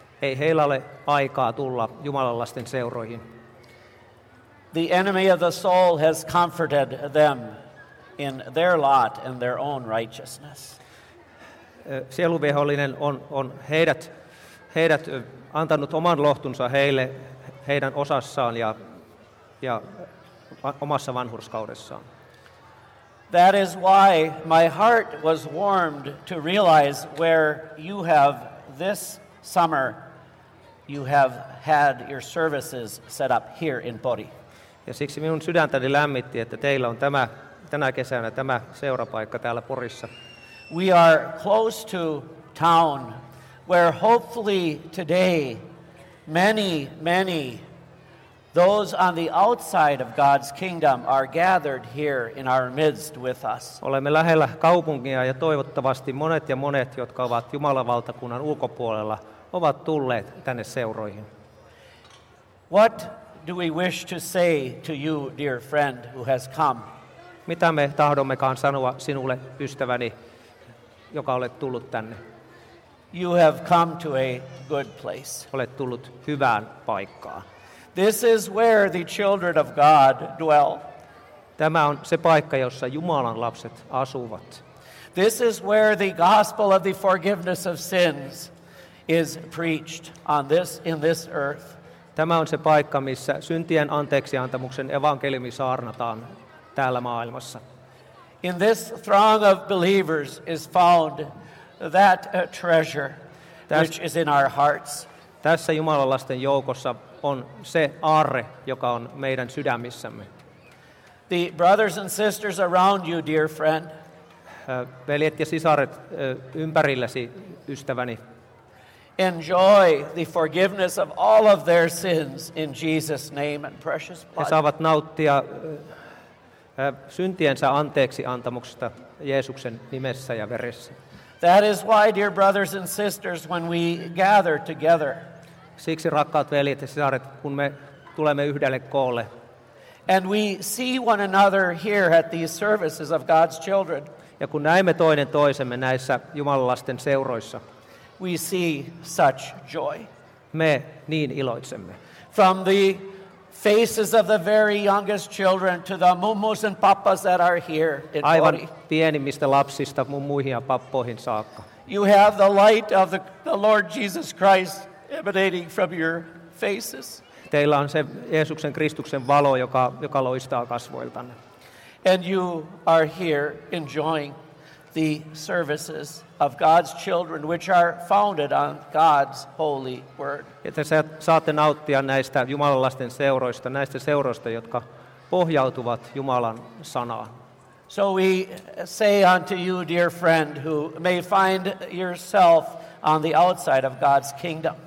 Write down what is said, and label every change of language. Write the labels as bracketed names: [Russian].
[Finnish] Ei heillä ole aikaa tulla Jumalan lasten seuroihin. [English] The enemy of the soul has comforted them in their lot and their own righteousness. [Finnish] Sieluvihollinen on heidät antanut oman lohtunsa heille heidän osassaan ja omassa vanhurskaudessaan. [English] That is why my heart was warmed to realize where you have this summer you have had your services set up here in Pori. [Finnish] Ja siksi minun sydäntäni lämmitti, että teillä on tänä kesänä tämä seurapaikka täällä Porissa. [English] We are close to town where hopefully today many, many those on the outside of God's kingdom are gathered here in our midst with us. [Finnish] Olemme lähellä kaupunkia ja toivottavasti monet ja monet, jotka ovat Jumalan valtakunnan ulkopuolella, ovat tulleet tänne seuroihin. [English] What do we wish to say to you, dear friend, who has come? [Finnish] Mitä me tahdommekaan sanoa sinulle, ystäväni, joka olet tullut tänne? [English] You have come to a good place. [Finnish] Olet tullut hyvään paikkaan. [English] This is where the children of God dwell. [Finnish] Tämä on se paikka, jossa Jumalan lapset asuvat. [English] This is where the gospel of the forgiveness of sins is preached on this in this earth. [Finnish] Tämä on se paikka, missä syntien anteeksiantamuksen evankeliumi saarnataan täällä maailmassa. [English] In this throng of believers is found that treasure which is in our hearts. [Finnish] Tässä Jumalan lasten joukossa on se aarre, joka on meidän sydämissämme. [English] The brothers and sisters around you, dear friend. [Finnish] Veljet ja sisaret ympärilläsi, ystäväni. [English] Enjoy the forgiveness of all of their sins in Jesus' name and precious blood. [Finnish] He saavat nauttia syntiensä anteeksi antamuksesta Jeesuksen nimessä ja veressä. [English] That is why, dear brothers and sisters, when we gather together, [Finnish] siksi rakkaat veljet ja sisaret, kun me tulemme yhdelle koolle, [English] and we see one another here at these services of God's children, [Finnish] Ja kun näemme toinen toisemme näissä jumalalasten seuroissa, [English] we see such joy. [Finnish] Me niin iloitsemme. [English] From the faces of the very youngest children to the mummus and pappas that are here in Pori. [Finnish] Aivan pienimmistä lapsista mummuihin ja pappoihin saakka. [English] You have the light of the Lord Jesus Christ emanating from your faces. [Finnish] Teillä on se Jeesuksen Kristuksen valo, joka loistaa kasvoiltanne. [English] And you are here enjoying the services of God's children, which are founded on God's holy word. [Finnish] Että saatte nauttia näistä jumalalasten seuroista, näistä seuroista, jotka pohjautuvat Jumalan sanaan. [English] So we say unto you, dear friend, who may find yourself on the outside of God's kingdom.